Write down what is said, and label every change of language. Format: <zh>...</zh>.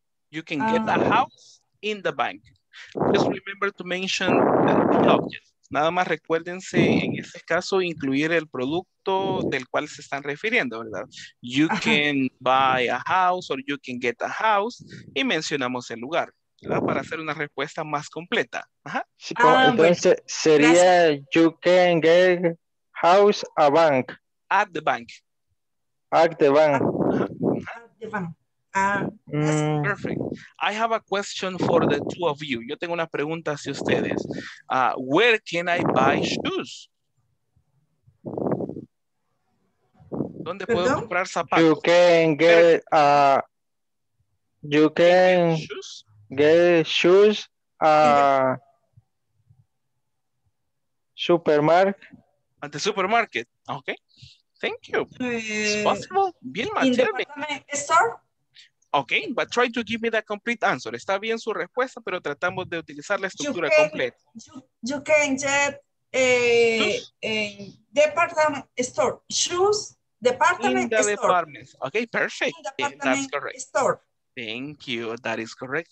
<en>You can get a house in the bank. Just remember to mention the object.</en> <es>Nada más recuérdense, en este caso, incluir el producto del cual se están refiriendo, ¿verdad?</es> <en>You can buy a house or you can get a house.</en> <es>Y mencionamos el lugar, ¿verdad? Para hacer una respuesta más completa. Ajá. Sí, pues, entonces, sería</es> <en>you can get house a bank. At the bank. At the bank. Perfect. I have a question for the two of you.</en> <es>Yo tengo una pregunta hacia ustedes.</es> <en>Where can I buy shoes?</en> <es>¿Dónde puedo comprar zapatos?</es> <en>You can get you can get shoes supermarket. At the supermarket. Okay. Thank you. It's possible. Bien, mantenerme. Okay, but try to give me the complete answer.</en> <es>Está bien su respuesta, pero tratamos de utilizar la estructura completa.</es> <en>You can get a department store. Shoes, department store. Department. Okay, perfect. That's correct. Thank you. That is correct.</en>